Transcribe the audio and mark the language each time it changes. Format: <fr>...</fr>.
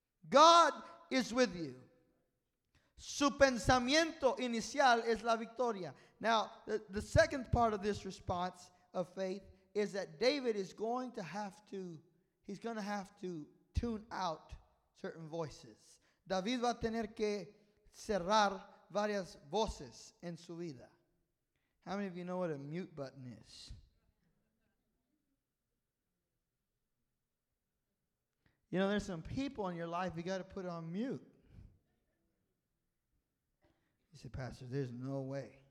<en>God is with you.</en> <es>Su pensamiento inicial es la victoria.</es> <en>Now, the second part of this response of faith is that David is going to have to, he's going to have to tune out certain voices.</en> <es>David va a tener que cerrar varias voces en su vida.</es> <en>How many of you know what a mute button is? You know, there's some people in your life you got to put on mute. You say, Pastor, there's no way.</en>